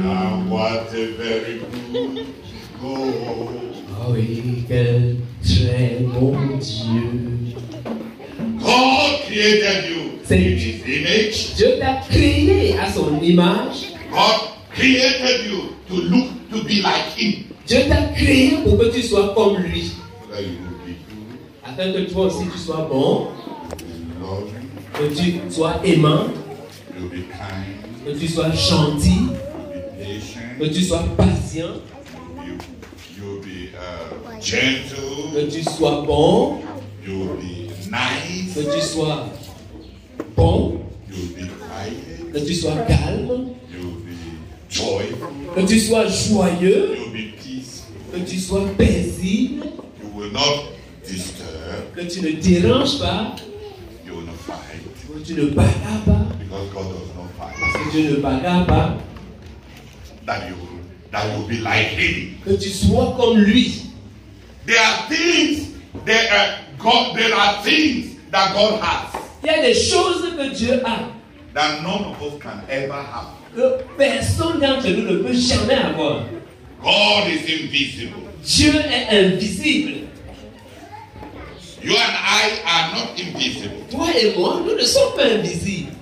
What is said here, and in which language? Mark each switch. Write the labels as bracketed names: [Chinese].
[English] And what a very good God. [French] Ah oui, quel très bon Dieu. [English] God created you in His image. [French] Dieu t'a créé à son image. [English] God created you to look to be like Him. [French] Dieu t'a créé pour que tu sois comme lui. [English] That you will be good. [French] Afin que toi aussi tu sois bon. [English] Love. [French] Que tu sois aimant. [English] You be kind. [French] Que tu sois gentil. [English] Be patient. [French] Que tu sois patient. [English] You be gentle. [French] Que tu sois bon. [English] You be nice. [French] Que tu sois bon. [English] You be quiet. [French] Que tu sois calme. [English] You be joyful. [French] Que tu sois joyeux. [English] You be peaceful. [French] Que tu sois paisible. [English] You will not disturb. [French] Que tu ne déranges pas. [English] You will not fight. [French] Que tu ne bagarres pas. [English] Because God does not fight. [French] Parce que Dieu ne bagarre pas. [English] That you be like Him. [French] Que tu sois comme lui. [English] There are things that God, there are things that God has. [French] Il y a des choses que Dieu a. [English] That none of us can ever have. [French] Que personne d'entre nous ne peut jamais avoir. [English] God is invisible. [French] Dieu est invisible. [English] You and I are not invisible. [French] Toi et moi, nous ne sommes pas invisibles.